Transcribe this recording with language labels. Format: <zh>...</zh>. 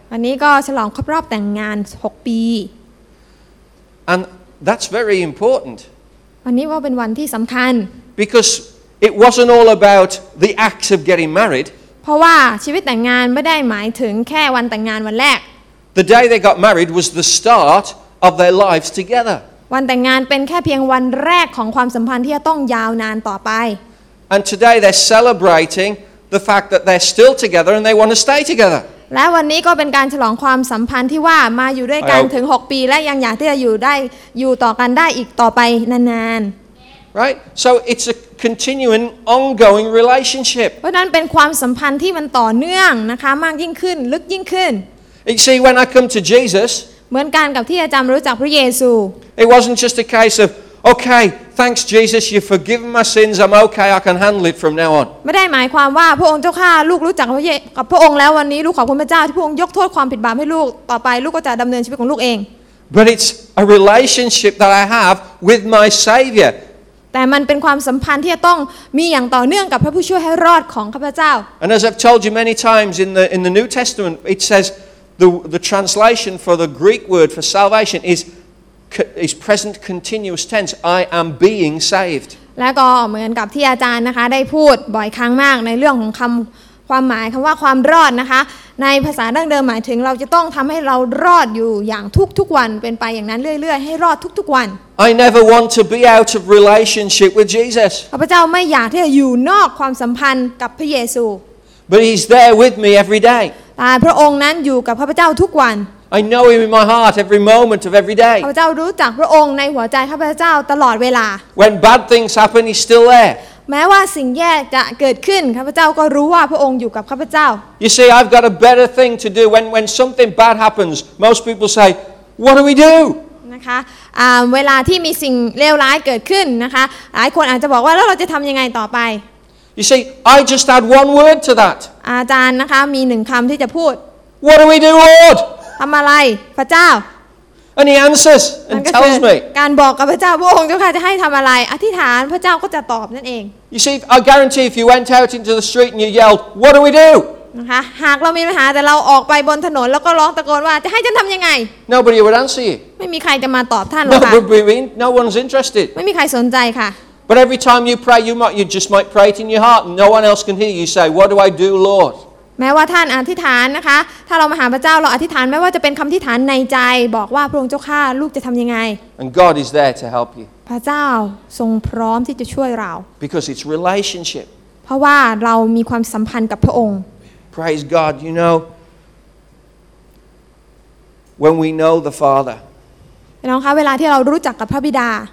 <th>วันนี้ก็ฉลองครบรอบแต่งงาน6ปี</th> <en>And that's very important.</en> <th>วันนี้ว่าเป็นวันที่สําคัญ</th> <en>Because it wasn't all about the act of getting married.</en> <th>เพราะว่าชีวิตแต่งงานไม่ได้หมายถึงแค่วันแต่งงานวันแรก</th> <en>The day they got married was the start of their lives together.</en> <th>วันแต่งงานเป็นแค่เพียงวันแรกของความสัมพันธ์ที่จะต้องยาวนานต่อไป</th> <en>And today they're celebratingThe fact that they're still together and they want to stay together.</en> <th>และวันนี้ก็เป็นการฉลองความสัมพันธ์ที่ว่ามาอยู่ด้วยกันถึง6ปีและยังอยากที่จะอยู่ต่อกันได้อีกต่อไปนาน</th> <en>ๆ Right? So it's a continuing, ongoing relationship.</en> <th>เพราะนั้นเป็นความสัมพันธ์ที่มันต่อเนื่องนะคะมากยิ่งขึ้นลึกยิ่งขึ้น</th> <en>You see, when I come to Jesus,</en> <th>เหมือนกันกับที่อาจารย์รู้จักพระเยซู</th> <en>It wasn't just a case ofOkay, thanks Jesus, you've forgiven my sins. I'm okay. I can handle it from now on.</en> <th>ไม่ได้หมายความว่าพระองค์เจ้าข้าลูกรู้จักกับพระองค์แล้ววันนี้ลูกขอบคุณพระเจ้าที่พระองค์ยกโทษความผิดบาปให้ลูกต่อไปลูกก็จะดำเนินชีวิตของลูกเอง</th> <en>But it's a relationship that I have with my Savior.</en> <th>แต่มันเป็นความสัมพันธ์ที่จะต้องมีอย่างต่อเนื่องกับพระผู้ช่วยให้รอดของข้าพเจ้า</th> <en>And as I've told you many times in the New Testament, it says the translation for the Greek word for salvation is present continuous tense I am being saved</en> <th>แล้วก็เหมือนกับที่อาจารย์นะคะได้พูดบ่อยครั้งมากในเรื่องของคําความหมายคําว่าความรอดนะคะในภาษาดั้งเดิมหมายถึงเราจะต้องทําให้เรารอดอยู่อย่างทุกๆวันเป็นไปอย่างนั้นเรื่อยๆให้รอดทุกๆวัน</th> <en>I never want to be out of relationship with Jesus</en> <th>พระเจ้าไม่อยากที่จะอยู่นอกความสัมพันธ์กับพระเยซู</th> <en>But he's there with me every day</en> <th>พระองค์นั้นอยู่กับพระเจ้าทุกวัน</th> <en>I know him in my heart every moment of every day.</en> <th>ข้าพเจ้ารู้จักพระองค์ในหัวใจข้าพเจ้าตลอดเวลา</th> <en>When bad things happen, he's still there.</en> <th>แม้ว่าสิ่งแย่จะเกิดขึ้นข้าพเจ้าก็รู้ว่าพระองค์อยู่กับข้าพเจ้า</th> <en>You see, I've got a better thing to do when something bad happens. Most people say, "What do we do?"</en> <th>นะคะเวลาที่มีสิ่งเลวร้ายเกิดขึ้นนะคะหลายคนอาจจะบอกว่าแล้วเราจะทำยังไงต่อไป</th> <en>You see, I just add one word to that.</en> <th>อาจารย์นะคะมีหนึ่งคำที่จะพูด</th> <en>What do we do, Lord?</en> <th>ทำอะไรพระเจ้า</th> <en>And he answers and tells me</en> <th>การบอกกับพระเจ้าพระองค์เจ้าค่ะจะให้ทำอะไรอธิษฐานพระเจ้าก็จะตอบนั่นเอง</th> <en>You see, I guarantee if you went out into the street and you yelled, "What do we do?"</en> <th>นะคะหากเรามีปัญหาแต่เราออกไปบนถนนแล้วก็ร้องตะโกนว่าจะให้ฉันทำยังไง</th> <en>Nobody would answer you</en> <th>ไม่มีใครจะมาตอบท่านหรอกค่ะ</th> <en>No one's interested</en> <th>ไม่มีใครสนใจค่ะ</th> <en>But every time you pray, you just might pray it in your heart, and no one else can hear you say, "What do I do, Lord?"</en> <th>แม้ว่าท่านอธิษฐานนะคะถ้าเรามาหาพระเจ้าเราอธิษฐานไม่ว่าจะเป็นคำอธิษฐานในใจบอกว่าพระองค์เจ้าข้าลูกจะทำยังไง</th> <en>And God is there to help you</en> <th>พระเจ้าทรงพร้อมที่จะช่วยเรา</th> <en>Because it's relationship</en> <th>เพราะว่าเรามีความสัมพันธ์กับพระองค์</th> <en>Praise God you know when we know the Father</en> <th>น้องคะเวลาที่เรารู้จักกับพระบิดา</th>